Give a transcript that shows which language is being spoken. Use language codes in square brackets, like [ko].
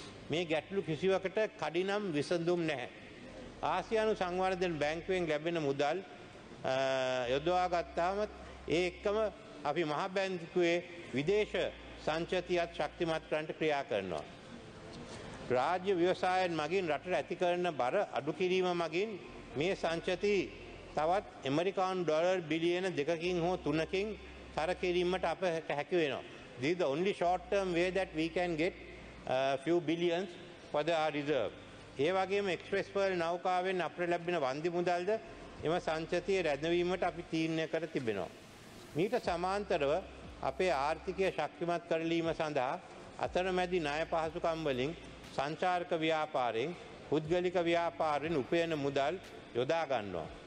[si] මේ ගැටලු කිසිවකට කඩිනම් විසඳුම් නැහැ. ආසියානු සංවර්ධන බැංකුවෙන් ලැබෙන මුදල් යොදවා ගත්තාම ඒ එක්කම අපි මහ බැංකුවේ විදේශ සංචිතියත් ශක්තිමත් කරන්න ක්‍රියා කරනවා. රාජ්‍ය ව්‍යවසායන් මගින් රටට ඇති කරන බර අඩු කිරීම මගින් මේ සංචිතය තවත් ඇමරිකානු ඩොලර් බිලියන 2කින් හෝ 3කින් තර කිරීමට අපට හැකි වෙනවා. [en] This is the only short term way that we can get few billions for the reserve. [si] ඒ වගේම එක්ස්ප්‍රෙස් පර්ල් නෞකාවෙන් අපට ලැබෙන වන්දි මුදල්ද එම සංචිතයේ රැඳවීමට අපි තීරණය කර තිබෙනවා. මීට සමාන්තරව අපේ ආර්ථිකය ශක්තිමත් කරලීම සඳහා අතරමැදි ණය පහසුකම් වලින් සංචාරක ව්‍යාපාරයෙන් පුද්ගලික ව්‍යාපාරයෙන් උපයන මුදල් යොදා ගන්නවා.